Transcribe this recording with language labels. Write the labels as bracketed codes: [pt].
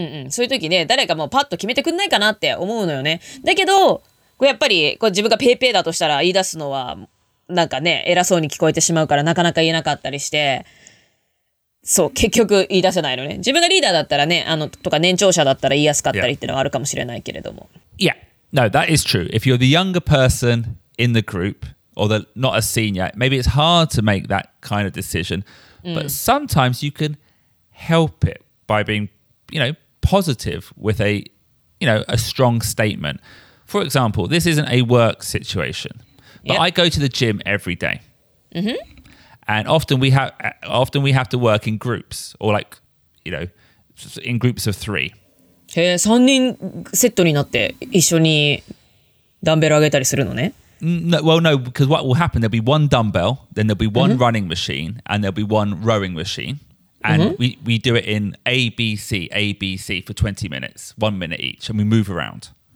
[ja] そういう時ね、誰かもうパッと決めてくんないかなって思うのよね。だけど、こうやっぱりこう自分がペーペーだとしたら言い出すのは、なんかね、偉そうに聞こえてしまうからなかなか言えなかったりして、そう、結局言い出せないのね。自分がリーダーだったらね、とか年長者だったら言いやすかったりっていうのはあるかもしれないけれども。 [en] Yeah. No, that is true. If you're the younger person in the group,or the, not a senior, maybe it's hard to make that kind of decision, but sometimes you can help it by being, you know, positive with a, you know, a strong statement. For example, this isn't a work situation, but I go to the gym every day. Mm-hmm. And often we have to work in groups or like, you know, in groups of three. [ja] へえ、三人セットになって一緒にダンベル上げたりするのね。 [en] No, well, no, because what will happen, there'll be one dumbbell, then there'll be one running machine, and there'll be one rowing machine. And we do it in A, B, C, A, B, C for 20 minutes, 1 minute each, and we move around.